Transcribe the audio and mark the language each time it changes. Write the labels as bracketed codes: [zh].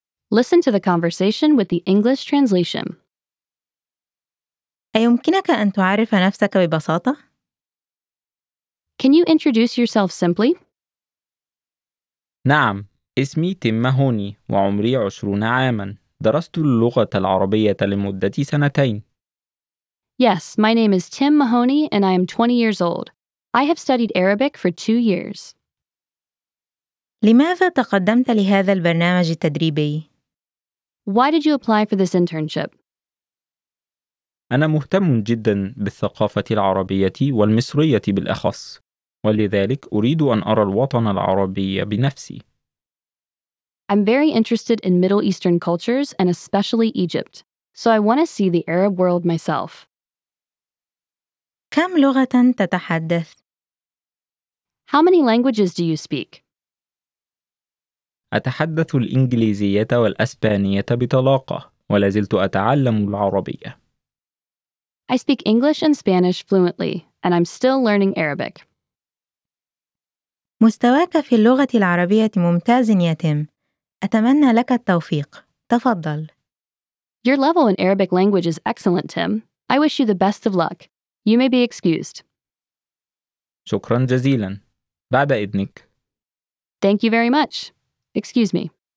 [en] Listen to the conversation with the English translation. [ar] أيمكنك أن تعرف نفسك ببساطة؟ [en] Can you introduce yourself simply? [ar] نعم، اسمي تيم ماهوني وعمري 20 عاماً. درست اللغة العربية لمدة سنتين. [en] Yes, my name is Tim Mahoney and I am 20 years old. I have studied Arabic for 2 years. [ar] لماذا تقدمت لهذا البرنامج التدريبي؟ [en] Why did you apply for this internship? [ar] أنا مهتم جدا بالثقافة العربية والمصرية بالأخص، ولذلك أريد أن أرى الوطن العربي بنفسي. [en] I'm very interested in Middle Eastern cultures and especially Egypt, so I want to see the Arab world myself. [ar] كم لغة تتحدث؟ [en] How many languages do you speak? [ar] أتحدث الإنجليزية والأسبانية بطلاقة، ولازلت أتعلم العربية. [en] I speak English and Spanish fluently, and I'm still learning Arabic. [ar] مستواك في اللغة العربية ممتاز يا تيم. أتمنى لك التوفيق. تفضل. [en] Your level in Arabic language is excellent, Tim. I wish you the best of luck. You may be excused. [ar] شكرا جزيلا. بعد إذنك. [en] Thank you very much. Excuse me.